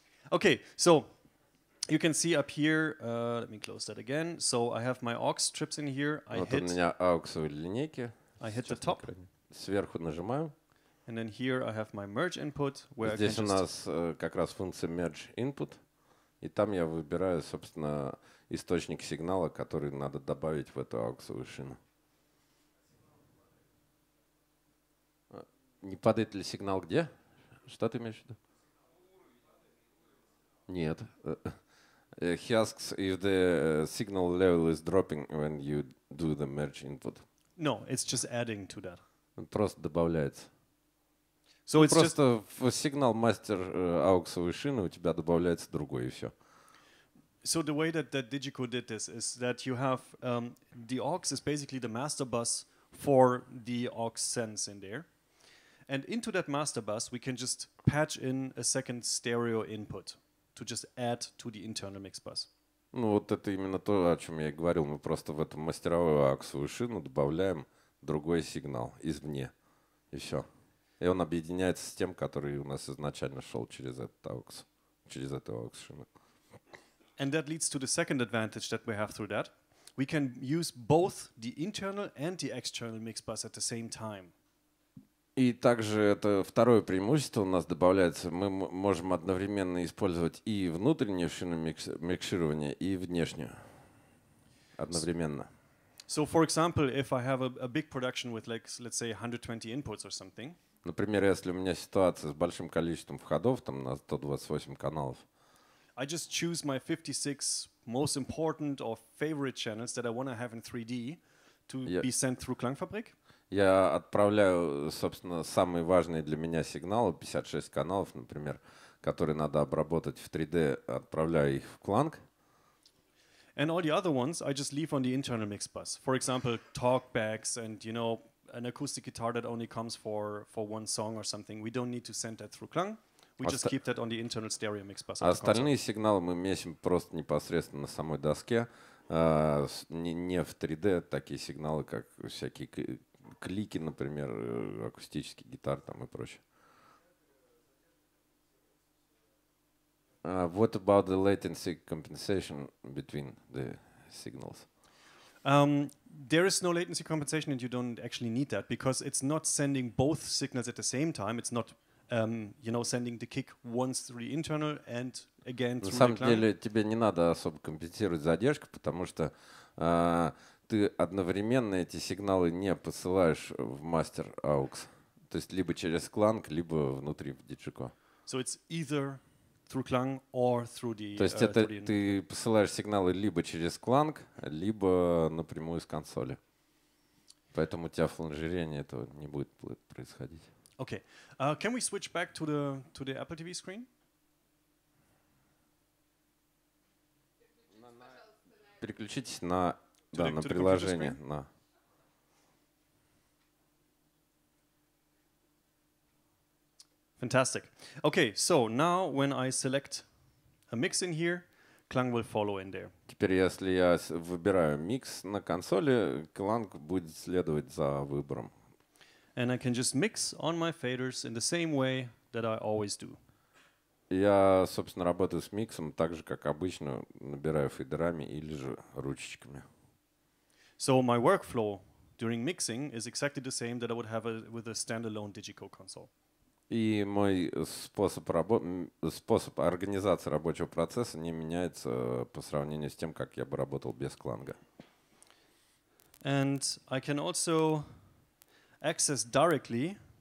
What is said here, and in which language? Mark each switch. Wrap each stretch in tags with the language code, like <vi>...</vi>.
<en>Okay, so you can see up here, let me close that again. So I have my aux strips in here. I hit the top.</en> <ru>Сверху нажимаю.</ru> <en>And then here I have my merge input where</en> <ru>здесь у нас как раз функция merge input, и там я выбираю, собственно, источник сигнала, который надо добавить в эту auxовую шину. Не падает ли сигнал где? Что ты имеешь в виду? Нет.</ru> <en>He asks if the signal level is dropping when you do the merge input. No, it's just adding to that.</en> <ru>Просто добавляется.</ru> <en>So it's</en> <ru>просто в сигнал мастер ауксовой шины у тебя добавляется другой, и все.</ru> <en>So the way that Digico did this is that you have the aux is basically the master bus for the aux sense in there. And into that master bus, we can just patch in a second stereo input to just add to the internal mix bus.</en> <ru>Ну вот это именно то, о чем я и говорил. Мы просто в эту мастеровую аксовую шину добавляем другой сигнал извне. И все. И он объединяется с тем, который у нас изначально шел через этот аукс, через эту аукс-шину.</ru> <en>And that leads to the second advantage that we have through that. We can use both the internal and the external mix bus at the same time.</en> <ru>И также это второе преимущество у нас добавляется. Мы можем одновременно использовать и внутреннюю шину микширования, и внешнюю одновременно.</ru> <en>So for example, if I have a big production with like, let's say 120 inputs or something.</en> <ru>Например, если у меня ситуация с большим количеством входов, там на 128 каналов.</ru> <en>I just choose my 56 most important or favorite channels that I want to have in 3D to be sent through KlangFabrik.</en> <ru>Я отправляю, собственно, самые важные для меня сигналы, 56 каналов, например, которые надо обработать в 3D, отправляю их в Clang.</ru> <en>And all the other ones I just leave on the internal mix bus. For example, talkbacks and, you know, an acoustic guitar that only comes for one song or something. We don't need to send that through Clang. We just keep that on the internal stereo mix bus.</en> <ru>Остальные сигналы мы месим просто непосредственно на самой доске, не в 3D, такие сигналы, как всякие клики, например, акустический гитар там и прочее.</ru> <en>What about the latency compensation between the signals? There is no latency compensation, and you don't actually need that because it's not sending both signals at the same time. It's not, you know, sending the kick once through the internal and again through the client.</en> <ru>На самом деле тебе не надо особо компенсировать задержку, потому что ты одновременно эти сигналы не посылаешь в мастер AUX. То есть либо через Clang, либо внутри в Digico.</ru> <en>So it's either through Clang or through the...</en> <ru>То есть это ты посылаешь сигналы либо через Clang, либо напрямую с консоли. Поэтому у тебя флангирование этого не будет происходить.</ru> <en>Okay. Can we switch back to the Apple TV screen?</en> <ru>Переключитесь на... Да, на приложение, на.</ru> <en>Fantastic. Okay, so now when I select a mix in here, Clang will follow in there.</en> <ru>Теперь, если я выбираю микс на консоли, Clang будет следовать за выбором.</ru> <en>And I can just mix on my faders in the same way that I always do.</en> <ru>Я, собственно, работаю с миксом так же, как обычно, набираю фейдерами или же ручечками.</ru> <en>So my workflow during mixing is exactly the same that I would have with a standalone Digico console.</en> <ru>И мой способ организации рабочего процесса не меняется по сравнению с тем, как я бы работал без Clang.</ru> <en>And I can also access directly.</en>